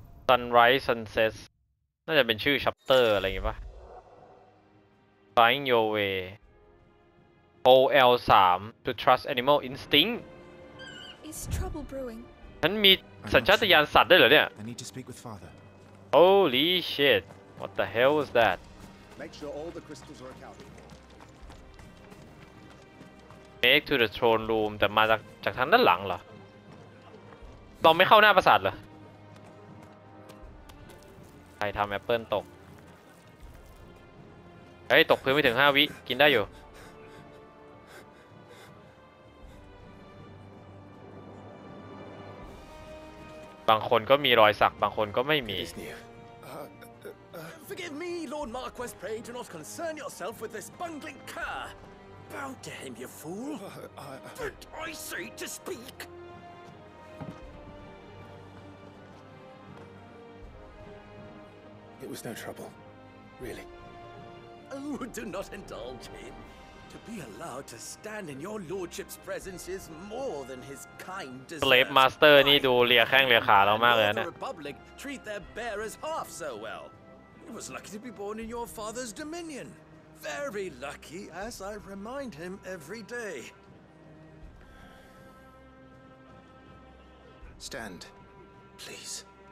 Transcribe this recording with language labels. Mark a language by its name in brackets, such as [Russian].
[English] Sunrise Sunset [Thai] น่าจะเป็นชื่อ chapter อะไรอย่างงี้ป่ะ [English] Find your way OL 3 to trust animal instinct Is trouble brewing [Thai] ฉันมีสัญชาตญาณสัตว์ได้เหรอเนี่ย [English] I need to speak with father Holy shit What the hell is that Make sure all the crystals are accounted for Make to the throne room [Thai] แต่มาจากทางด้านหลังเหรอเราไม่เข้าหน้าปราสาทเหรอใครทำแอปเปิลตกเฮ้ยตกพื้นไม่ถึง5วิกินได้อยู่บางคนก็มีรอยสักบางคนก็ไม่มี [English] Forgive me Lord Marquess pray do not concern yourself with this bungling cur Bow to him you fool Don't I say to speak It was no trouble, really. Oh, do not indulge him. To be allowed to stand in your lordship's presence is more than his kind deserves. Slave master, [Thai] นี่ดูเลียแข้งเลียขาเรามากเลยนะ [English] The Republic treat their bearers half so well. He was lucky to be born in your father's dominion. Very lucky, as I remind him every day. Stand, please.